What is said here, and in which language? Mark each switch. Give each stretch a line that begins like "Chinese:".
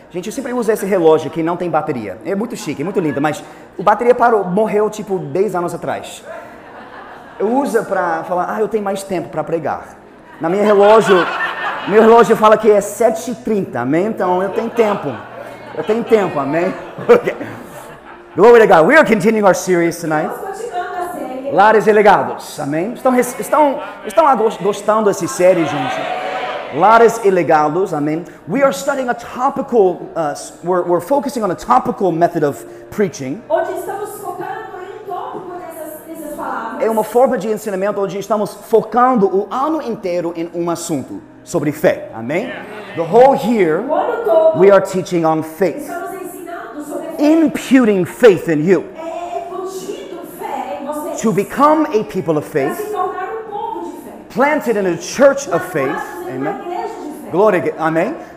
Portuguese: Gente, eu sempre uso esse relógio que não tem bateria. É muito chique, é muito lindo, mas o bateria parou, morreu tipo 10 anos atrás. Eu uso para falar, eu tenho mais tempo para pregar. Na minha relógio, meu relógio fala que é 7h30, amém? Então eu tenho tempo, amém? Okay.
English: Glory to God, we are continuing our series tonight.
Portuguese: Lares e Legados, amém? Estão gostando dessa série, gente?
English: Lares e Legados, amém? We are studying a topical, we're focusing on a topical method of preaching.
Portuguese: Onde estamos focando em tópico dessas palavras. É uma forma de ensinamento onde estamos focando o ano inteiro em um assunto sobre fé, amém?
English: The whole year, we are teaching on faith. Imputing faith in you. To become a people of faith, planted in a church of faith, amen. Glory, amen.